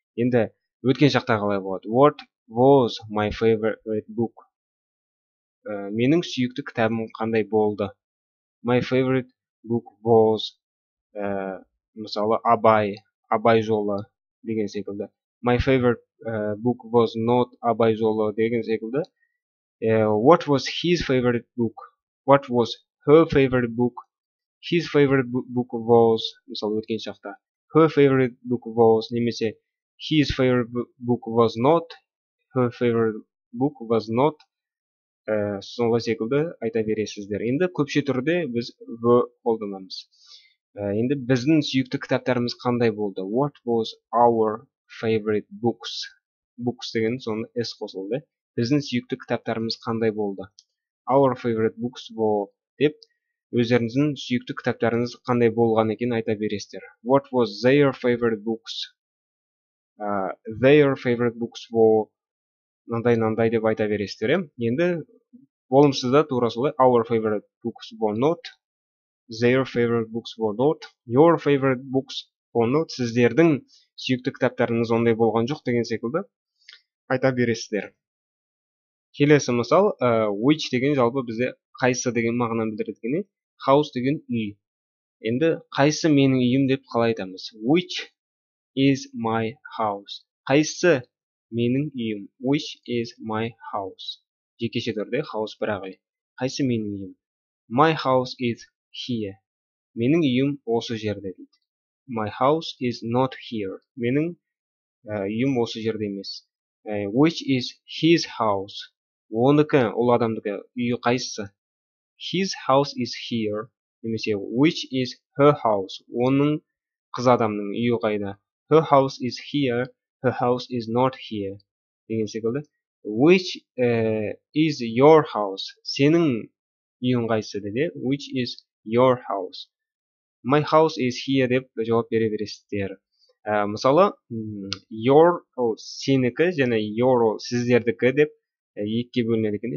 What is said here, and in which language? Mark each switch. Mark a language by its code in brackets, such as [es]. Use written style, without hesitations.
[kk] Енді өткен шақта қалай болады? [en] What was my favorite book? [kk] Менің сүйікті кітабым қандай болды? [en] My favorite book was, [kk] мысалы, Абай, Абай жолы деген секілді. [en] My favorite book was not [kk] Абай жолы деген секілді. [en] What was his favorite book? What was her favorite book? His favorite book was, [kk] мысалы, өткен шақта. [en] Her favorite book was, [kk] немесе, [en] his favorite book was not, her favorite book was not, [kk] соңғы секілді айта бересіздер. Енді көпше түрде біз в қолданамыз. Енді біздің сүйікті кітаптарымыз қандай болды? [en] What was our favorite books? [kk] Books деген соны S қосылды. Біздің сүйікті кітаптарымыз қандай болды? [en] Our favorite books were [kk] деп өздеріңіздің сүйікті кітаптарыңыз қандай болған екен айта бересіздер. [en] What was their favorite books? Their favorite books were [kk] нандай-нандай деп айта бересіздер. Енді болымсызда турасылы [en] our favorite books were not, their favorite books were not, your favorite books were not. [kk] Сіздердің сүйікті кітаптарыңыз ондай болған жоқ деген секілді айта бересіздер. Келесі мысал, which деген жалпы бізде қайсы деген мағынаны білдіреді екен. House деген үй. Енді қайсы менің үйім деп қалай айтамыз? [en] Which is my house? [kk] Қайсы менің үйім? [en] Which is my house? [kk] Жекеше түрде house бірақ үй. Қайсы менің үйім? [en] My house is here. [kk] Менің үйім осы жерде дейді. [en] My house is not here. [kk] Менің үйім осы жерде емес. [en] Which is his house? [kk] Оныкі, ол адамдыкі үйі қайсы? [en] His house is here. Немесе, which is her house? [kk] Оның қыз адамның үйі қайда? [en] Her house is here. Her house is not here. [kk] Деген секілді. [en] Which is your house? [kk] Сенің үйің қайсы деді. [en] Which is your house? My house is here [kk] деп жауап бере бересіздер. Мысалы, your сенікі және your сіздердікі деп екке бөлінеді екен.